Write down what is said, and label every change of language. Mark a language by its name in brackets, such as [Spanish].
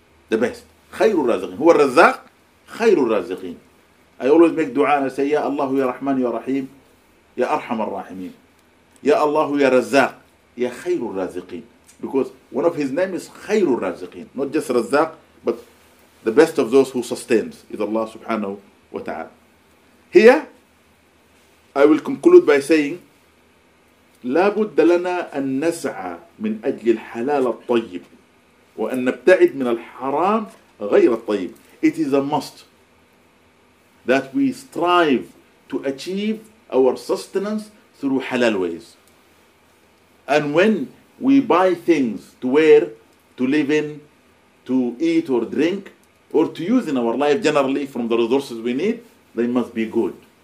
[English] The best. [Arabic] خَيْرُ الرَّازِقِينَ. هُوَ الرَّزَّاقُ خَيْرُ الرَّازِقِينَ. [English] I always make dua and I say, Ya Allah, Ya Rahman, Ya Rahim, Ya Arham al-Rahimin. Ya Allah, Ya Razzaq, Ya [Arabic] خَيْرُ الرَّازِقِينَ. [English] Because one of his name is خَيْرُ الرَّازِقِينَ. Not just Razzaq, but the best of those who sustains is Allah subhanahu wa ta'ala. Here, I will conclude by saying, [Arabic] لا بد لنا أن نسعى من أجل الحلال الطيب وأن نبتعد من الحرام غير الطيب. [English] It is a must that we strive to achieve our sustenance through halal ways. And when we buy things to wear, to live in, to eat or drink, or to use in our life generally from the resources we need, they must be good.